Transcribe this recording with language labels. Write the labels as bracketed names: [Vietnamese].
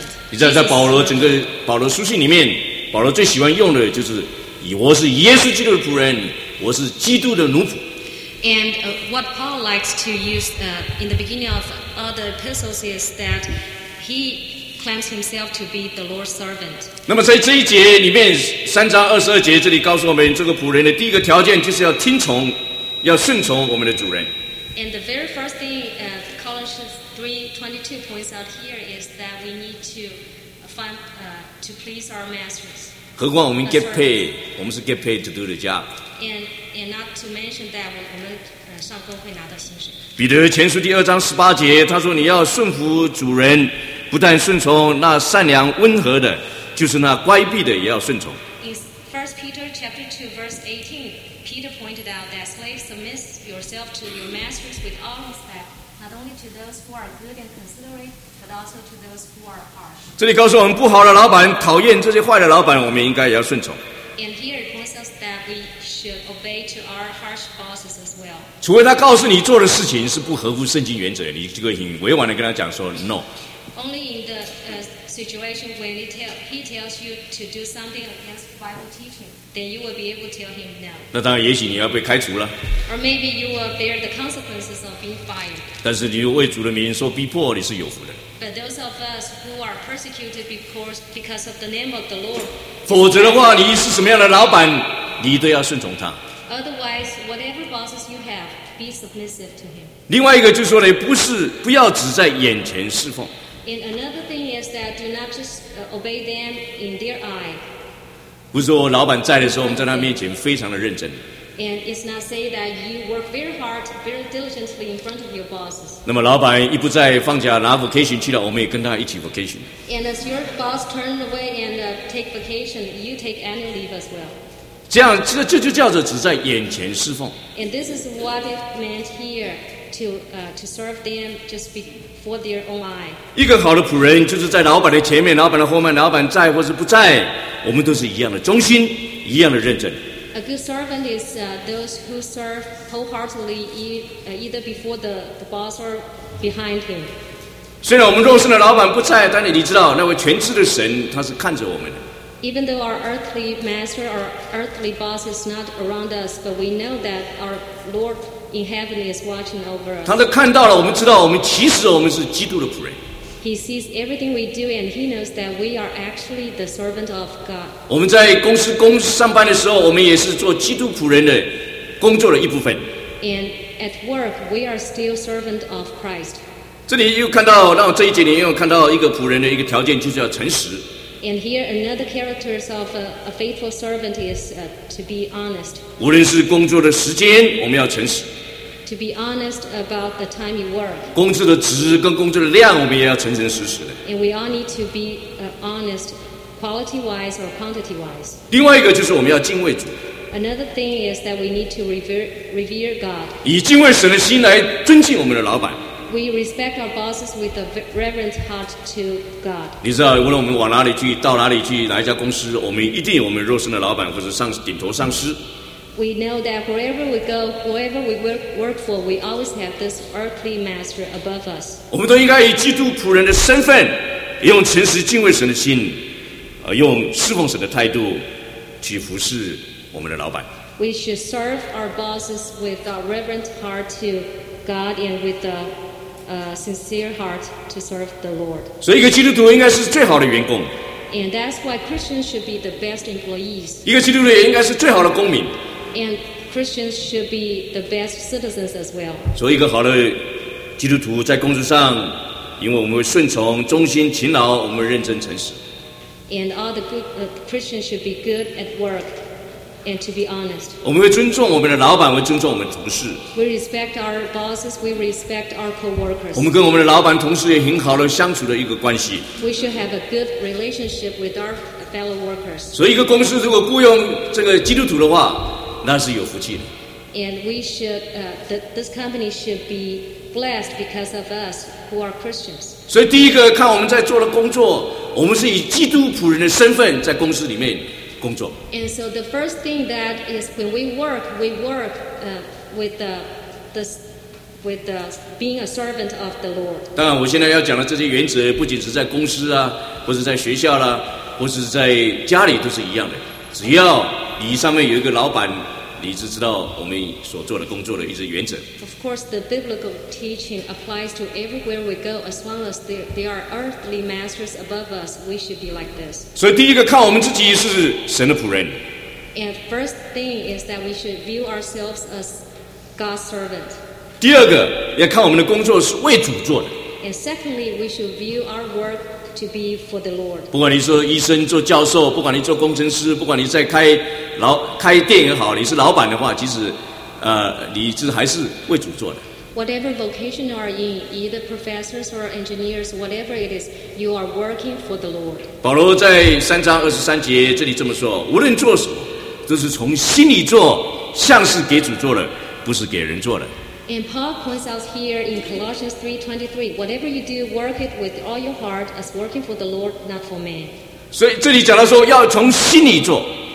[Chinese] 你知道在保罗整个保罗书信里面，保罗最喜欢用的就是我是耶稣基督的仆人，我是基督的奴仆。 [English] And what Paul likes to use in the beginning of all the epistles is that he claims himself to be the Lord's servant. [Chinese] 那么在这一节里面，三章二十二节这里告诉我们，这个仆人的第一个条件就是要听从，要顺从我们的主人。 [English] And the very first thing Colossians 3:22 points out here is that we need to find to please our masters. [Chinese] 何况我们 [English] get paid， [Chinese] 我们是 [English] get paid to do the job。 And not to mention that [Chinese] 我们上工会拿到薪水。彼得前书第二章十八节，他说：“你要顺服主人，不但顺从那善良温和的，就是那乖僻的也要顺从。” [English] In First Peter chapter 2 verse 18, Peter pointed out that slaves submit yourself to your masters with all respect, not only to those who are good and considerate, but also to those who are harsh. [Chinese] 这里告诉我们，不好的老板，讨厌这些坏的老板，我们应该也要顺从。 [English] And here it points us that we should obey to our harsh bosses as well. [Chinese] 除非他告诉你做的事情是不合乎圣经原则，你就可以委婉的跟他讲说 no. [English] Only in the situation when he tells you to do something against Bible teaching, then you will be able to tell him no. [Chinese] 那当然，也许你要被开除了。 [English] Or maybe you will bear the consequences of being fired. [Chinese] 但是你为主的名受逼迫，你是有福的。 [English] But those of us who are persecuted because of the name of the Lord. [Chinese] 否则的话，你是什么样的老板，你都要顺从他。 [English] Otherwise, whatever bosses you have, be submissive to him. [Chinese] 另外一个就是说呢，不是不要只在眼前侍奉。 [English] And another thing is that do not just obey them in their eye. [Chinese] 不是说老板在的时候，我们在他面前非常的认真。 [English] And it's not say that you work very hard, very diligently in front of your bosses. [Chinese] 那么老板一不在放假拿 vacation 去了，我们也跟他一起 vacation. [English] And as your boss turn away and take vacation, you take annual leave as well. [Chinese] 这样这就叫做只在眼前侍奉。 [English] And this is what it meant here to serve them just before their own eye. [Chinese] 一个好的仆人就是在老板的前面，老板的后面，老板在或是不在，我们都是一样的忠心，一样的认真。 [English] A good servant is those who serve wholeheartedly, either before the boss or behind him. [Chinese] 虽然我们肉身的老板不在，但是你知道，那位全知的神他是看着我们的。 [English] Even though our earthly master or earthly boss is not around us, but we know that our Lord in heaven is watching over us. [Chinese] 他都看到了，我们知道，我们其实我们是基督的仆人。 [English] He sees everything we do, and he knows that we are actually the servant of God. [Chinese] 我们在公司工上班的时候，我们也是做基督仆人的工作的一部分。 [English] And at work, we are still servant of Christ. [Chinese] 这里又看到，让我这一节里又看到一个仆人的一个条件，就是要诚实。 [English] And here another character of a faithful servant is to be honest. [Chinese] 无论是工作的时间，我们要诚实。 [English] To be honest about the time you work. [Chinese] 工作的值跟工作的量，我们也要诚诚实实的。 [English] And we all need to be honest quality-wise or quantity-wise. [Chinese] 另外一个就是我们要敬畏主。 [English] Another thing is that we need to revere God. [Chinese] 以敬畏神的心来尊敬我们的老板。 [English] We respect our bosses with a reverent heart to God. [Chinese] 你知道，无论我们往哪里去，到哪里去，哪一家公司，我们一定有我们肉身的老板或者上顶头上司。 [English] We know that wherever we go, wherever we work for, we always have this earthly master above us. [Chinese] 我们都应该以基督仆人的身份，用诚实敬畏神的心，用侍奉神的态度去服侍我们的老板。 [English] We should serve our bosses with a reverent heart to God and with a sincere heart to serve the Lord. [Chinese] 所以，一个基督徒应该是最好的员工。 [English] And that's why Christians should be the best employees. [Chinese] 一个基督徒也应该是最好的公民。 [English] And Christians should be the best citizens as well. [Chinese] 所以，一个好的基督徒在工作上，因为我们会顺从、忠心、勤劳，我们认真、诚实。 [English] And all the good Christians should be good at work. And to be honest, [Chinese] 我们会尊重我们的老板，会尊重我们同事。 [English] We respect our bosses. We respect our coworkers. [Chinese] 我们跟我们的老板、同事也很好的相处的一个关系。 [English] We should have a good relationship with our fellow workers. [Chinese] 所以，一个公司如果雇佣这个基督徒的话，那是有福气的。 [English] And we should, this company should be blessed because of us who are Christians. [Chinese] 所以，第一个看我们在做的工作，我们是以基督仆人的身份在公司里面。工作。 [English] And so the first thing that is when we work with being a servant of the Lord. [Chinese] 当然，我现在要讲的这些原则，不仅是在公司啊，或是在学校啦、啊，或是在家里都是一样的。只要你上面有一个老板，你就知道我们所做的工作的一些原则。 [English] Of course, the biblical teaching applies to everywhere we go. As long as there are earthly masters above us, we should be like this. [Chinese] 所以第一个看我们自己是神的仆人。 [English] And first thing is that we should view ourselves as God's servant. [Chinese] 第二个要看我们的工作是为主做的。 [English] And secondly, we should view our work to be for the Lord. [Chinese] 不管你做医生、做教授，不管你做工程师，不管你在开店也好，你是老板的话，其实。你这还是为主做的。 [English] Whatever vocation you are in, either professors or engineers, whatever it is, you are working for the Lord. [Chinese] 保罗在三章二十三节这里这么说：无论做什么，都是从心里做，像是给主做的，不是给人做的。 [English] And Paul points out here in Colossians 3:23, whatever you do, work it with all your heart as working for the Lord, not for man. [Chinese] 所以这里讲到说要从心里做。